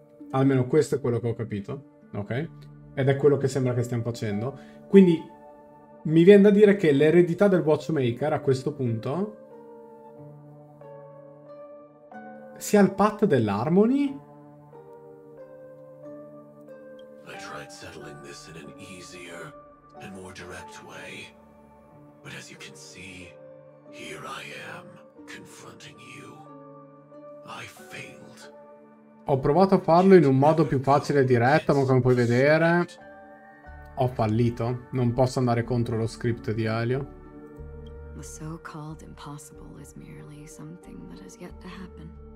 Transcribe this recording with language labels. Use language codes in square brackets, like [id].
[it] Almeno questo è quello che ho capito, ok? Ed è quello che sembra che stiamo facendo. Quindi mi viene da dire che l'eredità del Watchmaker a questo punto sia il path dell'Harmony. [en] I tried settling this in an easier and more direct way, but as you can see, here I am confronting you. I failed. [it] Ho provato a farlo in un modo più facile e diretto, ma come puoi vedere ho fallito. Non posso andare contro lo script di Elio. [en] The so-called impossible is merely something that has yet to happen.